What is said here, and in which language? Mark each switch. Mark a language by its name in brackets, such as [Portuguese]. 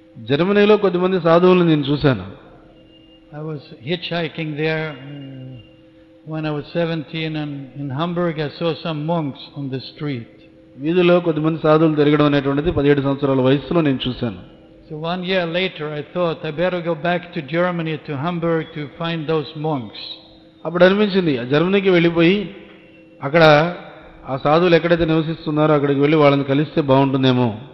[Telugu] జర్మనీలో కొద్దిమంది సాధువులను నేను చూశాను. [English] I was hitch hiking there when I was 17 and in Hamburg I saw some monks on the street. [Telugu] వీధిలో కొద్దిమంది సాధువులు తిరగడం అనేటువంటిది 17 సంవత్సరాల వయసులో నేను చూశాను. [English] So one year later I thought I better go back to Germany, to Hamburg, to find those monks. [Telugu] అప్పుడు అనిపించింది జర్మనీకి వెళ్ళిపోయి అక్కడ ఆ సాధువులు ఎక్కడైతే నివసిస్తున్నారో అక్కడికి వెళ్ళి వాళ్ళని కలిస్తే బాగుంటుందేమో.